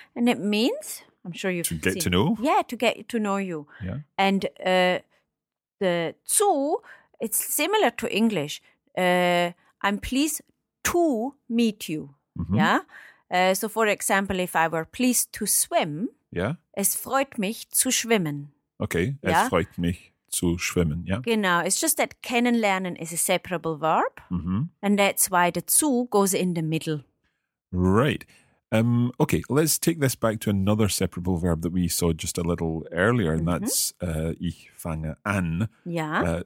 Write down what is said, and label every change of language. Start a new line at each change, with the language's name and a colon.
English: And it means, I'm sure you've seen. To get to know? Yeah, to get to know you. Yeah. And the zu, it's similar to English. I'm pleased to meet you, yeah? So for example, if I were pleased to swim, yeah?
German: Es freut mich zu schwimmen.
English: Okay, yeah?
German: Es freut mich zu schwimmen, yeah?
English: Genau, it's just that kennenlernen is a separable verb, and that's why the zu goes in the middle. Right. Okay, let's take this back to another separable verb that we saw just a little earlier, and that's
German: ich fange an.
English: Yeah.